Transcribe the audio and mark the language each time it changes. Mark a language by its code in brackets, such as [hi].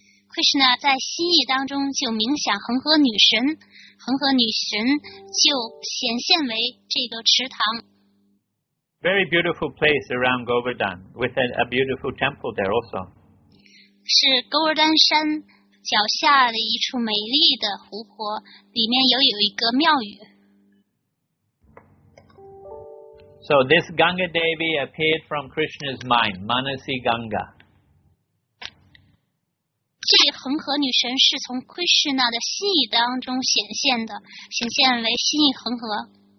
[zh] Krishna 在心意当中就冥想恒河女神，恒河女神就显现为这个池塘。 [en] Very beautiful place around Govardhan, with a beautiful temple there also. [zh] 是 Govardhan 山。脚下的一处美丽的湖泊，里面又有一个庙宇。 [en] So this Ganga Devi appeared from Krishna's mind, Manasi Ganga. [zh] 这位恒河女神是从 Krishna 的心意当中显现的，显现为心意恒河。